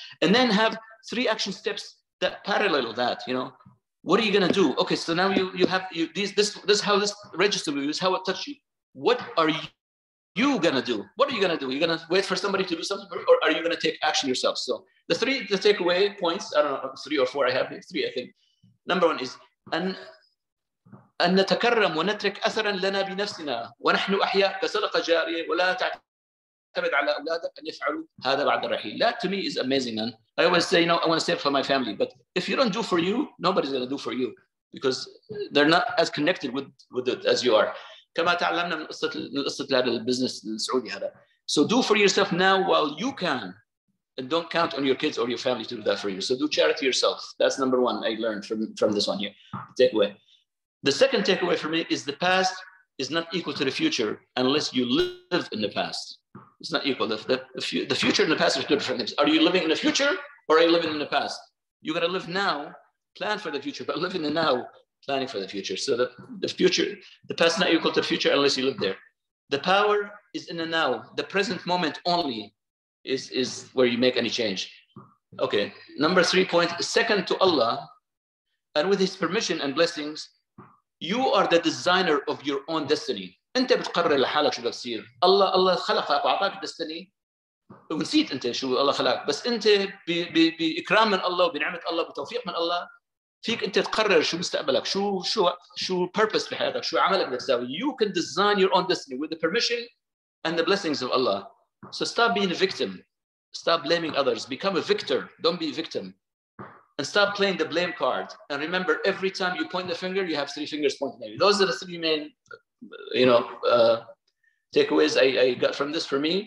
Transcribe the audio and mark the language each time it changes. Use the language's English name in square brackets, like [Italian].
[English] And then have three action steps that parallel that, you know. What are you gonna do? Okay, so now you have this how this registered with you, is how it touched you. What are you gonna do? What are you gonna do? Are you gonna wait for somebody to do something for you, or are you gonna take action yourself? So the takeaway points, I don't know, three or four I have, three I think. Number one is, [Arabic] أن نتكرم ونترك أثرا لنا بنفسنا ونحن أحياء كسلقة جارية ولا تعتمد على أولادك أن يفعلوا هذا بعد الرحيل. [English] That to me is amazing, man. I always say, you know, I want to save for my family, but if you don't do for you, nobody's going to do for you because they're not as connected with it as you are. [Arabic] كما تعلمنا من قصة هذا البزنس السعودي هذا. [English] So do for yourself now while you can, and don't count on your kids or your family to do that for you. So do charity yourself. That's number one I learned from this one here. Takeaway. The second takeaway for me is the past is not equal to the future unless you live in the past. It's not equal. The future and the past are two different things. Are you living in the future or are you living in the past? You gotta live now, plan for the future, but live in the now, planning for the future. So the past is not equal to the future unless you live there. The power is in the now. The present moment only is where you make any change. Okay, number three point, second to Allah, and with his permission and blessings, you are the designer of your own destiny. [Arabic] أنت بتقرر لحالك شو بتصير. الله خلقك وعطاك destiny. ونسيت أنت شو الله خلقك. بس أنت بإكرام من الله وبنعمة الله وبتوفيق من الله فيك أنت تقرر شو مستقبلك. شو purpose بحياتك. شو عملك بتساوي. [English] You can design your own destiny with the permission and the blessings of Allah. So stop being a victim. Stop blaming others. Become a victor. Don't be a victim. And stop playing the blame card. And remember, every time you point the finger, you have three fingers pointing at you. Those are the three main, you know, takeaways I got from this for me.